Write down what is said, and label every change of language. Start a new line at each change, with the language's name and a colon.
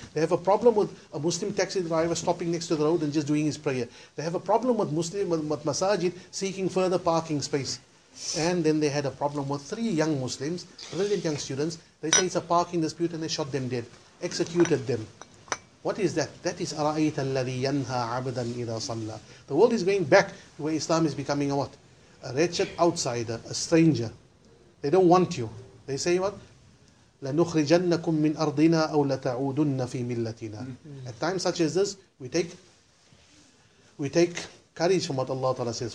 English: They have a problem with a Muslim taxi driver stopping next to the road and just doing his prayer. They have a problem with Muslim with masajid seeking further parking space. And then they had a problem with three young Muslims, brilliant young students. They say it's a parking dispute and they shot them dead, executed them. What is that? That is
Arabic: أَرَأَيْتَ الَّذِي يَنْهَى عَبْدًا إِذَا صَلَّى.
English: The world is going back to where Islam is becoming a what? A wretched outsider, a stranger. They don't want you. They say what?
Arabic: لَنُخْرِجَنَّكُمْ مِنْ أَرْضِنَا أَوْ لَتَعُودُنَّ فِي مِلَّتِنَا.
English: At times such as this, we take courage from what Allah Ta'ala says.